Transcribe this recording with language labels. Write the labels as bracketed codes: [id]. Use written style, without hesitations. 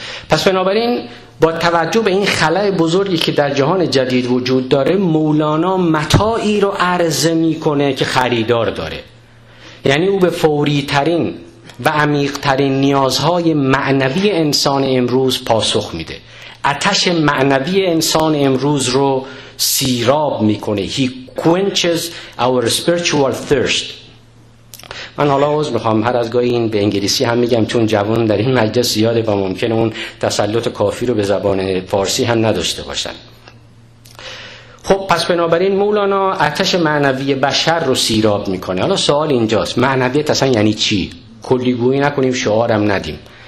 [fa] پس بنابراین با توجه به این خلأ بزرگی که در جهان جدید وجود داره، مولانا متاعی رو عرضه میکنه که خریدار داره. یعنی او به فوری ترین و عمیق ترین نیازهای معنوی انسان امروز پاسخ میده. آتش معنوی انسان امروز رو سیراب میکنه. [en] He quenches our spiritual thirst. [fa] من حالا عوض میخوام، هر از گاهی این به انگلیسی هم میگم چون جوان در این مجلس زیاده و ممکنه اون تسلط کافی رو به زبان فارسی هم نداشته باشن. خب پس بنابراین مولانا آتش معنوی بشر رو سیراب میکنه. حالا سوال اینجاست، معنویت اصلا یعنی چی؟ کلیگویی نکنیم، شعارم ندیم.